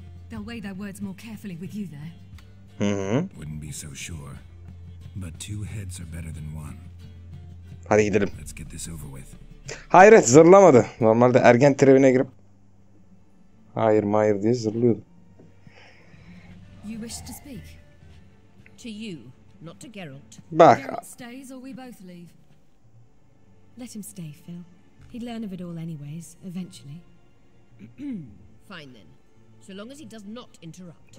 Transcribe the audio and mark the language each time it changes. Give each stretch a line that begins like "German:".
English: They'll weigh their words more carefully with you there. Wouldn't be so sure, but two heads are better than one.
Turkish: Hadi gidelim.
English: Let's get this over with.
Turkish: Hayret, zırlamadı. Normalde ergen trevine girip hayır mayır diye zırlıyordu.
English: You wish to speak to you, not to Geralt.
Turkish: Bak.
English: Geralt stays or we both leave. Let him stay, Phil. He'd learn of it all anyways, eventually. Fine then. So long as he does not interrupt.